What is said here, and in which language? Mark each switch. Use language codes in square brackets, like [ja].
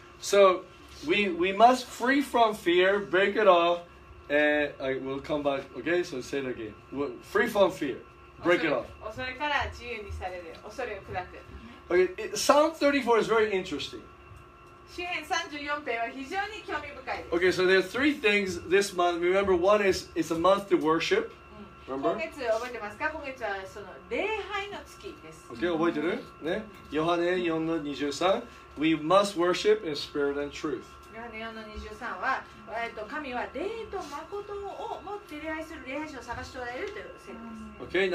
[en] So we must free from fear, break it off, and I will come back. Okay, so say it again. Free from fear, break it off. [ja] 恐れから自由にされる、恐れを砕く。 [en] Okay, Psalm 34 is very interesting. [ja] 詩編34編は非常に興味深いです。 [en] Okay, so there are three things this month. Remember, one is it's a month to worship. Remember? [ja] 今月覚えてますか？今月はその礼拝の月です。 Okay, 覚えてる？ね。 [en] ヨハネ 4-23 We must worship in spirit and truth. [ja] ヨハネ 4-23 は、神は霊と誠を持って礼拝する礼拝者を探しておられるという聖書です。